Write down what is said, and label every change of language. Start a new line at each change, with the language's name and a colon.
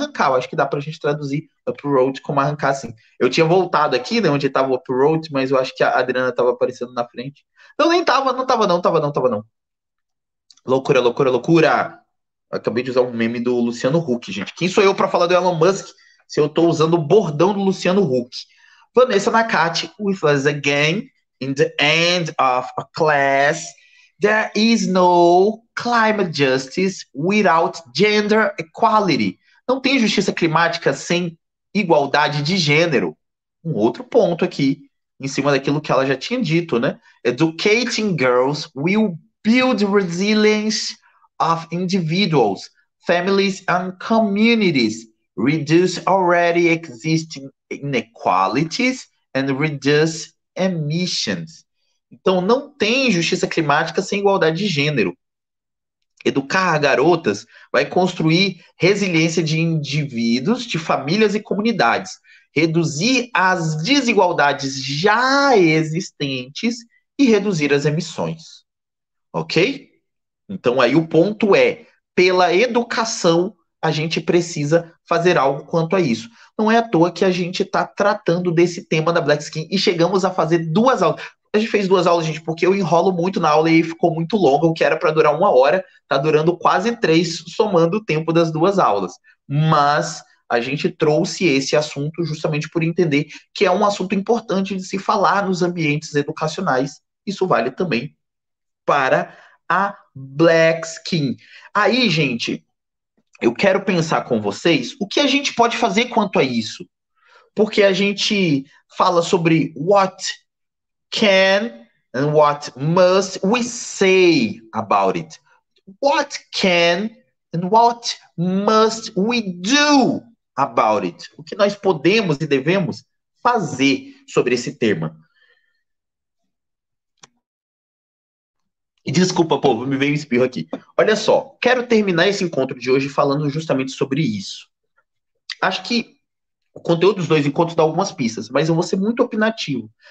Portuguese: Arrancar, eu acho que dá para a gente traduzir uproot como arrancar assim. Eu tinha voltado aqui, né, onde estava o uproot, mas eu acho que a Adriana estava aparecendo na frente. Não, nem estava, não estava, não, estava, não, estava, não. Loucura, loucura, loucura. Acabei de usar um meme do Luciano Huck, gente. Quem sou eu para falar do Elon Musk se eu estou usando o bordão do Luciano Huck?
English: Vanessa Nakati, with us again, in the end of a class, there is no climate justice without gender equality.
Portuguese: Não tem justiça climática sem igualdade de gênero. Um outro ponto aqui, em cima daquilo que ela já tinha dito, né?
English: Educating girls will build resilience of individuals, families and communities. Reduce already existing inequalities and reduce emissions.
Portuguese: Então, não tem justiça climática sem igualdade de gênero. Educar garotas vai construir resiliência de indivíduos, de famílias e comunidades, reduzir as desigualdades já existentes e reduzir as emissões. Ok? Então, aí o ponto é, pela educação, a gente precisa fazer algo quanto a isso. Não é à toa que a gente está tratando desse tema da Black Skin e chegamos a fazer duas aulas. A gente fez duas aulas, gente, porque eu enrolo muito na aula e ficou muito longa, o que era para durar 1 hora, está durando quase 3, somando o tempo das duas aulas. Mas a gente trouxe esse assunto justamente por entender que é um assunto importante de se falar nos ambientes educacionais. Isso vale também para A black skin. Aí, gente, eu quero pensar com vocês o que a gente pode fazer quanto a isso. Porque a gente fala sobre
English: what can and what must we say about it. What can and what must we do about it?
Portuguese: O que nós podemos e devemos fazer sobre esse tema? E desculpa, povo, me veio um espirro aqui. Olha só, quero terminar esse encontro de hoje falando justamente sobre isso. Acho que o conteúdo dos dois encontros dá algumas pistas, mas eu vou ser muito opinativo.